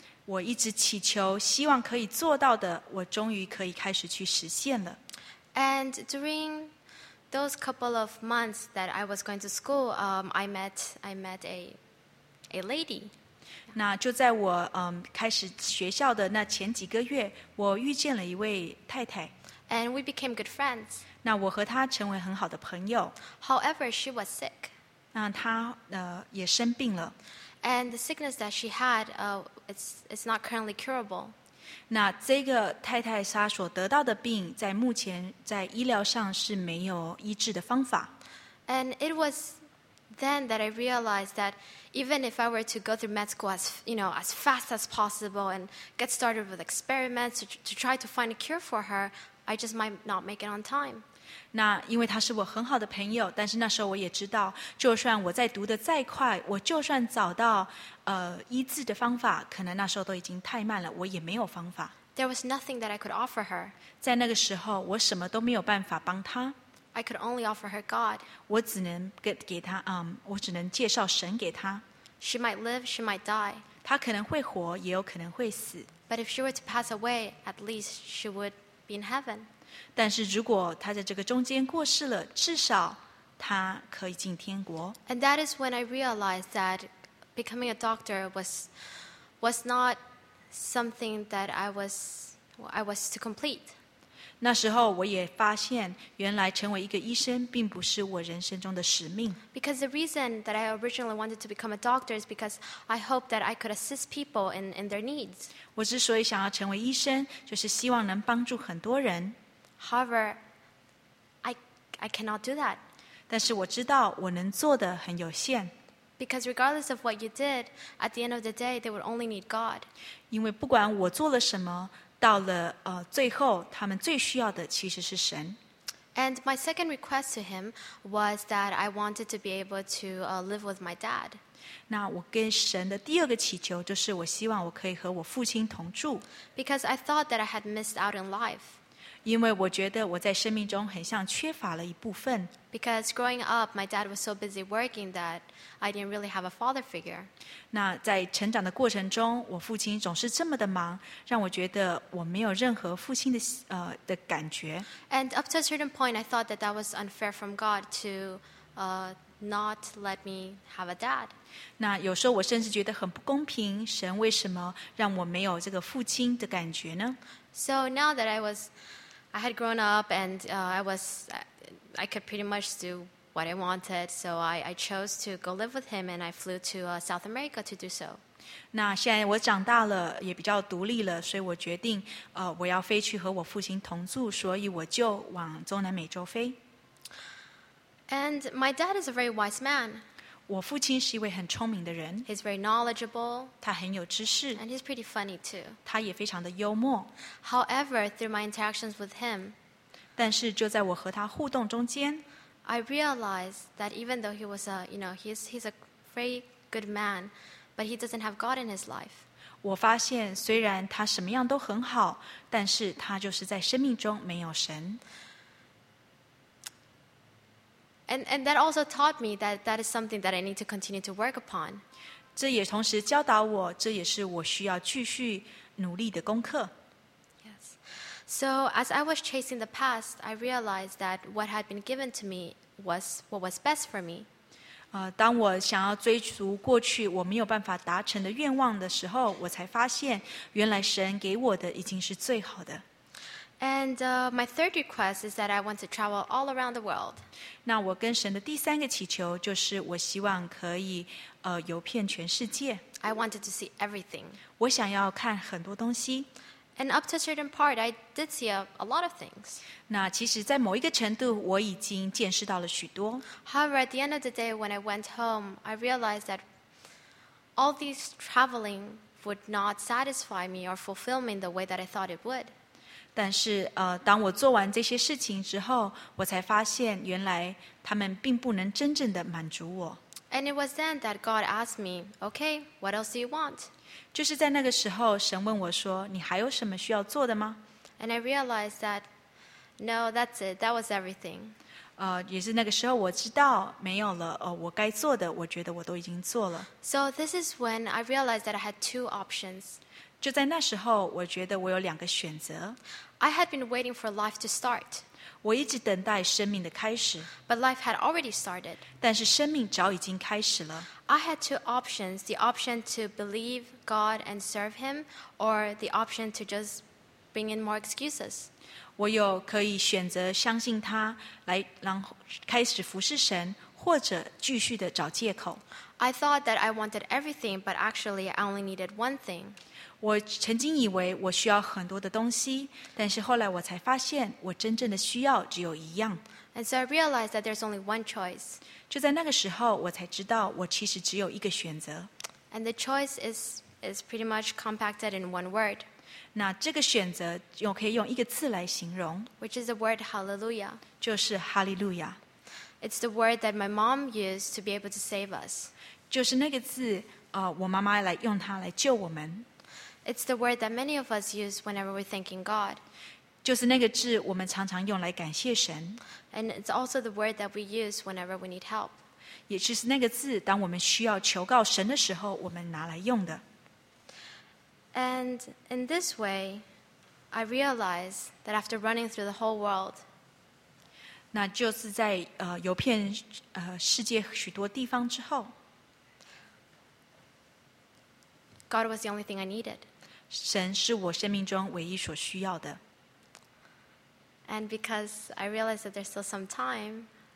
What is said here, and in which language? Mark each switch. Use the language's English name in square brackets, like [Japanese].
[Chinese] 我一直祈求，希望可以做到的，我终于可以开始去实现了。 [English] And during those couple of months that I was going to school, I met a lady. [Chinese] 那就在我开始学校的那前几个月，我遇见了一位太太。 [English] And we became good friends. [Chinese] 那我和她成为很好的朋友。 [English] However, she was sick. [Chinese] 那她也生病了。 [English] And the sickness that she had, it's not currently curable. [Chinese] 那这个太太她所得到的病，在目前在医疗上是没有医治的方法。 [English] And it was then that I realized that even if I were to go through med school as fast as possible and get started with experiments to try to find a cure for her, I just might not make it on time. [Chinese] 那因为她是我很好的朋友，但是那时候我也知道，就算我在读得再快，我就算找到医治的方法，可能那时候都已经太慢了，我也没有方法。 [English] There was nothing that I could offer her. [Chinese] 在那个时候，我什么都没有办法帮她。 [English] I could only offer her God. [Chinese] 我只能给她，我只能介绍神给她。 [English] She might live, she might die. [Chinese] 她可能会活，也有可能会死。 [English] But if she were to pass away, at least she would be in heaven. [Chinese] 但是如果她在这个中间过世了，至少她可以进天国。 [English] And that is when I realized that becoming a doctor was not something that I was to complete. [Chinese] 那时候我也发现，原来成为一个医生并不是我人生中的使命。 [English] Because the reason that I originally wanted to become a doctor is because I hope that I could assist people in their needs. [Chinese] 我之所以想要成为医生，就是希望能帮助很多人。 [English] However, I cannot do that. [Chinese] 但是我知道我能做的很有限。 [English] Because regardless of what you did, at the end of the day, they would only need God. [Chinese] 因为不管我做了什么，到了最后，他们最需要的其实是神。 [English] And my second request to him was that I wanted to be able to live with my dad. [Chinese] 那我跟神的第二个祈求就是我希望我可以和我父亲同住。 [English] Because I thought that I had missed out in life. [Chinese] 因为我觉得我在生命中很像缺乏了一部分。 [English] Because growing up, my dad was so busy working that I didn't really have a father figure. [Chinese] 那在成长的过程中，我父亲总是这么的忙，让我觉得我没有任何父亲的感觉。 [English] And up to a certain point, I thought that was unfair from God to not let me have a dad. [Chinese] 那有时候我甚至觉得很不公平，神为什么让我没有这个父亲的感觉呢？ [English] So now that I had grown up and I could pretty much do what I wanted, so I chose to go live with him, and I flew to South America to do so. [Chinese] 那现在我长大了，也比较独立了，所以我决定，我要飞去和我父亲同住，所以我就往中南美洲飞。 [English] And my dad is a very wise man. [Chinese] 我父亲是一位很聪明的人。 [English] He's very knowledgeable. [Chinese] 他很有知识。 [English] And he's pretty funny too. [Chinese] 他也非常的幽默。 [English] However, through my interactions with him, [Chinese] 但是就在我和他互动中间。 [English] I realized that even though he was he's a very good man, but he doesn't have God in his life. [Chinese] 我发现虽然他什么样都很好，但是他就是在生命中没有神。 [English] And that also taught me that is something that I need to continue to work upon. [Chinese] 这也同时教导我，这也是我需要继续努力的功课。 [English] So as I was chasing the past, I realized that what had been given to me was what was best for me. [Chinese] 当我想要追逐过去我没有办法达成的愿望的时候，我才发现原来神给我的已经是最好的。 [English] And my third request is that I want to travel all around the world. [Chinese] 那我跟神的第三个祈求就是我希望可以游遍全世界。 [English] I wanted to see everything. [Chinese] 我想要看很多东西。 [English] And up to a certain part, I did see a lot of things. [Chinese] 那其实在某一个程度我已经见识到了许多。 [English] However, at the end of the day, when I went home, I realized that all these traveling would not satisfy me or fulfill me in the way that I thought it would. [Chinese] 但是当我做完这些事情之后，我才发现原来他们并不能真正的满足我。 [English] And it was then that God asked me, okay, what else do you want? [Chinese] 就是在那个时候神问我说你还有什么需要做的吗 [English] And I realized that No, that's it, that was everything [Chinese] 也是那个时候我知道没有了我该做的我觉得我都已经做了 [English] So this is when I realized that I had two options [Chinese] 就在那时候我觉得我有两个选择 [English] I had been waiting for life to start [Chinese] 我一直等待生命的开始 [English] But life had already started [Chinese] 但是生命早已经开始了 [English] I had two options, the option to believe God and serve Him, or the option to just bring in more excuses. [Chinese] 我有可以选择相信他来开始服侍神或者继续的找借口。 [English] I thought that I wanted everything, but actually I only needed one thing. [Chinese] 我曾经以为我需要很多的东西但是后来我才发现我真正的需要只有一样。 [English] And so I realized that there's only one choice. [Chinese] 就在那个时候，我才知道我其实只有一个选择。 [English] And the choice is pretty much compacted in one word. [Chinese] 那这个选择又可以用一个字来形容。 [English] Which is the word hallelujah. [Chinese] 就是 hallelujah. [English] It's the word that my mom used to be able to save us. [Chinese] 就是那个字，我妈妈来用它来救我们。 [English] It's the word that many of us use whenever we're thanking God. [Chinese] 就是那个字，我们常常用来感谢神。 [English] And it's also the word that we use whenever we need help. [Chinese] 也就是那个字，当我们需要求告神的时候，我们拿来用的。 [English] And in this way, I realized that after running through the whole world, [Chinese] 那就是在游遍世界许多地方之后 [English] ，God was the only thing I needed. [Chinese] 神是我生命中唯一所需要的。 [English] And because I realized that there's still some time,